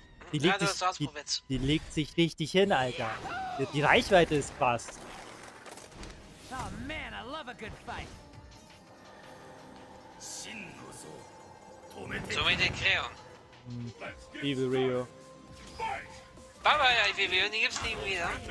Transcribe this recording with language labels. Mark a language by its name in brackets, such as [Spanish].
[German] Die legt sich richtig hin, Alter. Die Reichweite ist krass. [English] Oh man, I love a good fight. [German] So mit den Kreon. Evil Ryu. [English] Bye bye, [German] Evil Ryu, die gibt's nicht wieder.